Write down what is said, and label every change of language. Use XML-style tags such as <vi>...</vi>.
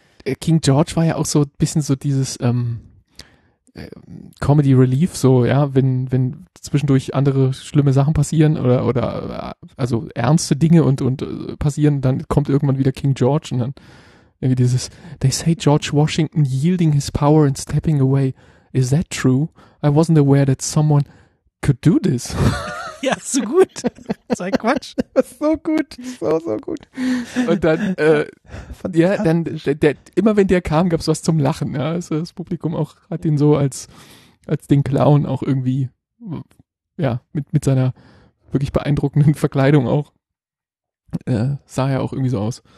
<de>Der King George war ja auch so ein bisschen so dieses Comedy Relief, so ja, wenn zwischendurch andere schlimme Sachen passieren oder also ernste Dinge und passieren, dann kommt irgendwann wieder King George und dann irgendwie dieses</de> <en>They say George Washington yielding his power and stepping away. Is that true? I wasn't aware that someone could do this.</en> <de>Ja, so gut. Sei Quatsch. So gut. So, so gut. Und dann, der, immer wenn der kam, gab es was zum Lachen. Ja. Also das Publikum auch hat ihn so als den Clown auch irgendwie, ja, mit seiner wirklich beeindruckenden Verkleidung auch, sah er auch irgendwie so aus.</de>